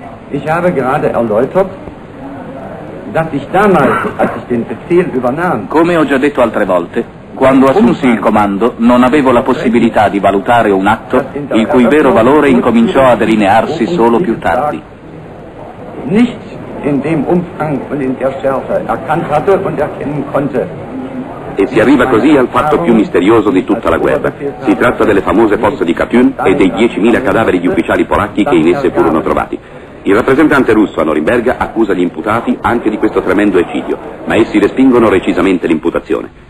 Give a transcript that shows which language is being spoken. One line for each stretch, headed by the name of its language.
German: Ich habe gerade erläutert, dass ich damals, als ich den Befehl übernahm.
Italian: Come ho già detto altre volte, quando assunsi il comando non avevo la possibilità di valutare un atto il cui vero valore incominciò a delinearsi solo più tardi.
German: Nicht in dem Umfang und in der Schärfe erkannt hatte und erkennen konnte.
Italian: E si arriva così al fatto più misterioso di tutta la guerra. Si tratta delle famose fosse di Katyn e dei 10.000 cadaveri di ufficiali polacchi che in esse furono trovati. Il rappresentante russo a Norimberga accusa gli imputati anche di questo tremendo eccidio, ma essi respingono recisamente l'imputazione.